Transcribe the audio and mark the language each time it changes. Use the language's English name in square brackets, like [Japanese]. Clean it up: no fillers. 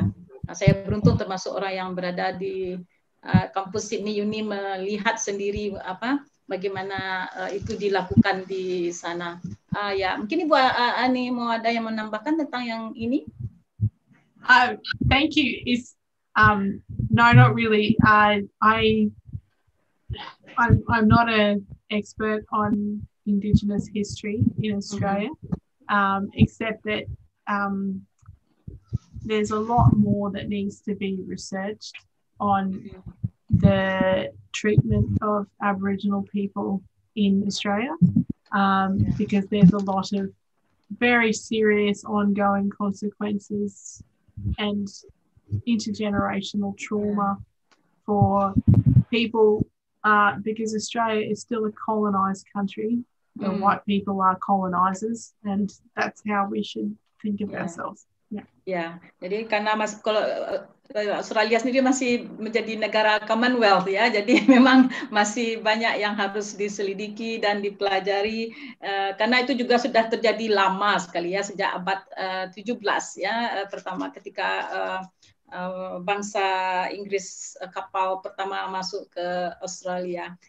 [Indonesian] Nah, saya beruntung termasuk orang yang berada di kampus Sydney Uni melihat sendiri bagaimana itu dilakukan di sana. Mungkin Ibu Ani mau ada yang menambahkan tentang yang ini? [English] Thank you. No, not really. I'm not an expert on Indigenous history in Australia. Mm-hmm. Except that there's a lot more that needs to be researched on the treatment of Aboriginal people in Australia, because there's a lot of very serious ongoing consequences and intergenerational trauma for people, because Australia is still a colonised country. The white people are colonizers, and that's how we should think of ourselves. [Indonesian] Jadi karena kalau Australia sendiri masih menjadi negara Commonwealth ya, jadi memang masih banyak yang harus diselidiki dan dipelajari, karena itu juga sudah terjadi lama sekali ya, sejak abad 17 ya, pertama ketika bangsa Inggris kapal pertama masuk ke Australia.